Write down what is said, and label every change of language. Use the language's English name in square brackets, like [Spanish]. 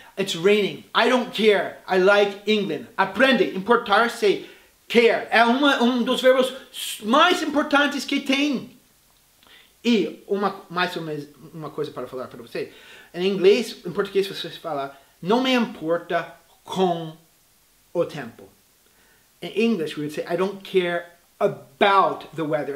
[English] It's raining. I don't care. I like England. [Portuguese] Aprende. Importar-se care é um dos verbos mais importantes que tem. E uma coisa para falar para você. Em inglês, em português, você fala não me importa com o tempo. [English] In English, we would say, I don't care about the weather.